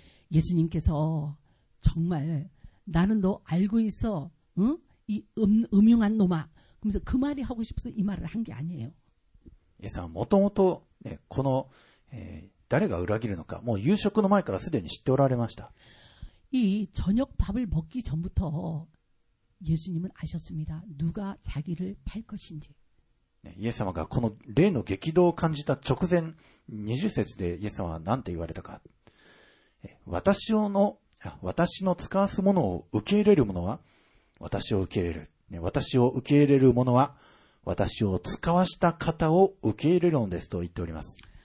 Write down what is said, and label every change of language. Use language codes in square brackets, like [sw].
[ko] イエス님께서정말나는너알고있어응이 음흉한놈아그러면서그말이하고싶어서이말을한게아니에요 [ja] イエスはもともとこの誰が裏切るのかもう夕食の前からすでに知っておられました。 [ko] 이저녁밥을먹기전부터예수님은아셨습니다누가자기를팔것인지 [ja] イエス様がこの霊の激動を感じた直前20節でイエス様は何て言われたか。私の使わすものを受け入れる者は私を受け入れる。私を受け入れる者は私を使わした方を受け入れるのですと言っております。